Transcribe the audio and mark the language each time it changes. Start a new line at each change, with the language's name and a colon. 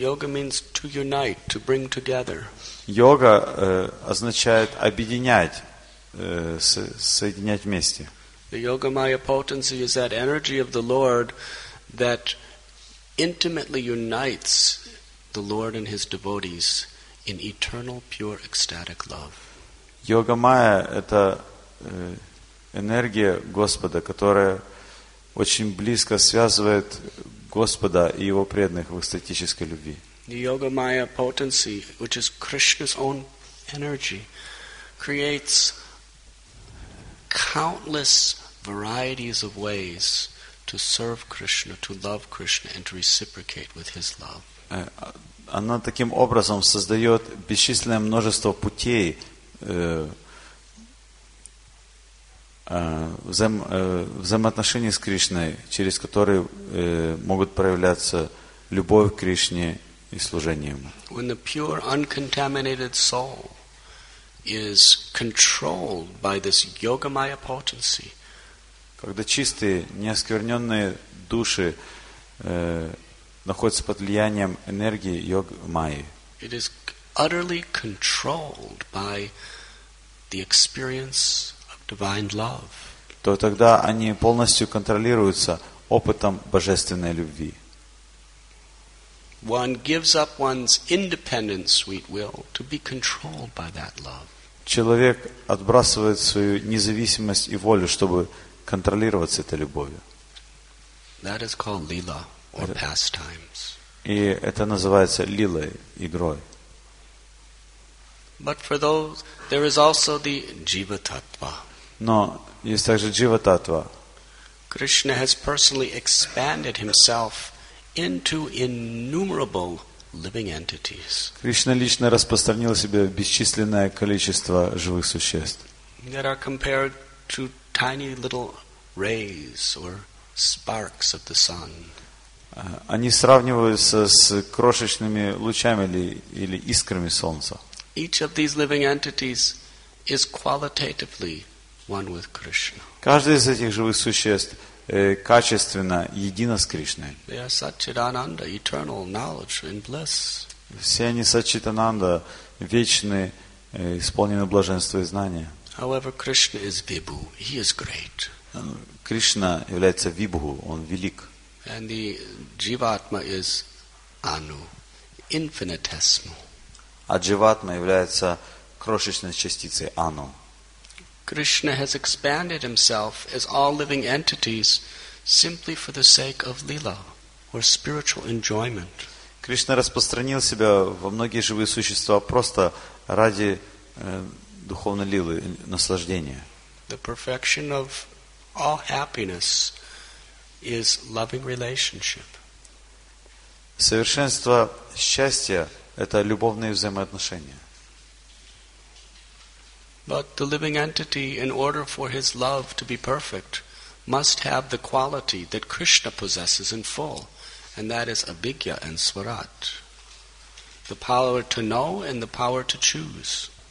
English: Yoga means to unite, to bring together.
Russian: Йога означает объединять, соединять вместе.
English: The Yoga-майя potency is that energy of the Lord that intimately unites the Lord and His devotees in eternal, pure, ecstatic love.
Russian: Йога-майя – это энергия Господа, которая очень близко связывает Господа и Его преданных в экстатической любви.
English: The Yogamaya potency, which is Krishna's own energy, creates countless varieties of ways to serve Krishna, to love Krishna, and to reciprocate with His love.
Russian: Она таким образом создает бесчисленное множество путей взаимоотношений с Кришной, через которые могут проявляться любовь к Кришне и служение Ему.
English: When the pure, uncontaminated soul is controlled by this Yogamaya potency,
Russian: когда чистые, неоскверненные души находятся под влиянием энергии Йогамаи,
English: it is utterly controlled by the experience of divine love,
Russian: то тогда они полностью контролируются опытом божественной любви.
English: One gives up one's independent sweet will to be controlled by that love.
Russian: Человек отбрасывает свою независимость и волю, чтобы контролироваться этой любовью.
English: That is called lila or pastimes.
Russian: И это называется лилой, игрой.
English: But for those, there is also the jiva tattva.
Russian: Но есть также джива таттва.
English: Krishna has personally expanded himself into innumerable living entities.
Russian: Кришна лично распространил себя в бесчисленное количество живых существ.
English: That are compared to tiny little rays or sparks of the sun.
Russian: Они сравниваются с крошечными лучами или искрами солнца.
English: Each of these living entities is qualitatively one with Krishna.
Russian: Каждый из этих живых существ качественно едино с Кришной.
English: They are Satchidananda, eternal knowledge and bliss.
Russian: Все они Сатчитананда, вечны, исполнены блаженства и знания.
English: However, Krishna is Vibhu. He is great.
Russian: Кришна является Вибху, он велик.
English: And the Jivatma is Anu, infinitesimal.
Russian: А Дживатма является крошечной частицей Ану.
English: Krishna has expanded himself as all living entities simply for the sake of lila or spiritual enjoyment.
Russian: Кришна распространил себя во многие живые существа просто ради духовной лилы, наслаждения.
English: The perfection of all happiness is loving relationship.
Russian: Совершенство счастья – это любовные взаимоотношения.
English: But the living entity, in order for his love to be perfect, must have the quality that Krishna possesses in full, and that is abhigya and swarat, the power to know and the power to choose.